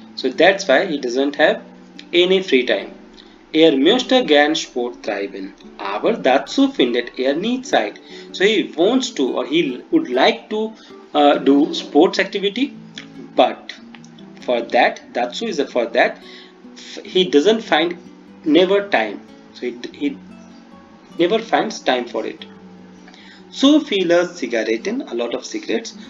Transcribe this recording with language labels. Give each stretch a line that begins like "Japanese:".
English: So that's why he doesn't have any free time.
German: Möchte gern Sport treiben, aber dazu findet nie Zeit.
English: So he wants to, or he would like to do sports activity, but for that, dazu is for that, he doesn't find never time. So he never finds time for it.
German: Zu viele Zigaretten,
English: a lot of cigarettes.